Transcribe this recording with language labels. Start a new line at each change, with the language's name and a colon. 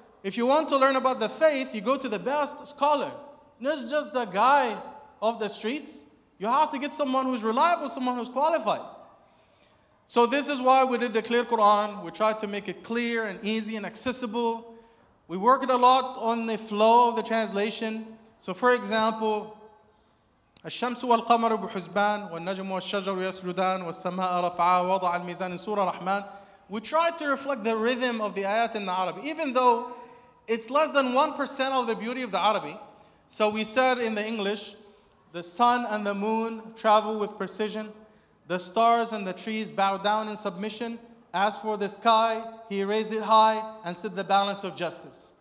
English: If you want to learn about the faith, you go to the best scholar. Not just the guy of the streets. You have to get someone who's reliable, someone who's qualified. So this is why we did the clear Quran. We tried to make it clear and easy and accessible. We worked a lot on the flow of the translation.
Arabic: So for example, الشمس والقمر بحسبان والنجم والشجر يسجدان والسماء رفعها وضع الميزان سورة الرحمن.
English: We try to reflect the rhythm of the ayat in the Arabic, even though it's less than 1% of the beauty of the Arabic. So we said in the English, The sun and the moon travel with precision. The stars and the trees bow down in submission. As for the sky, he raised it high and set the balance of justice.